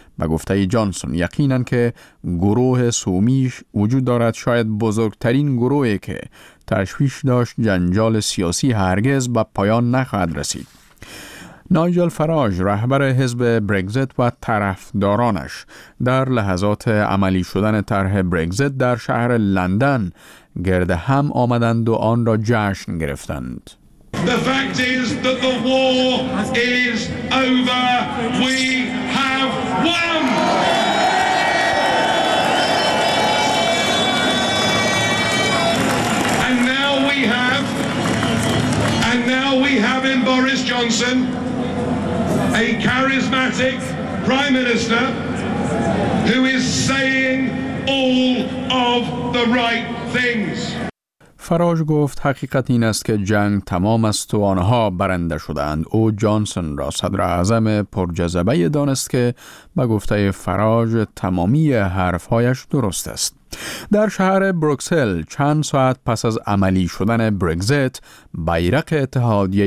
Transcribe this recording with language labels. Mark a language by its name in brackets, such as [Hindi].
[Persian] به گفته جانسون یقینا که گروه سومیش وجود دارد، شاید بزرگترین گروهی که تشویش داشت جنجال سیاسی هرگز به پایان نخواهد رسید. نایجل فراج رهبر حزب برگزیت و طرفدارانش در لحظات عملی شدن طرح برگزیت در شهر لندن گرد هم آمدند و آن را جشن گرفتند. [English] The fact is that the war is over. We have won. And now we have in Boris Johnson a charismatic Prime Minister who is saying all of the right things. [Persian] فراج گفت حقیقت این است که جنگ تمام است و آنها برنده شدند. او جانسون را صدر اعظم پر جذبه دانست که به گفته فراج تمامی حرفهایش درست است. در شهر بروکسل چند ساعت پس از عملی شدن برگزیت، بیرق اتحادیه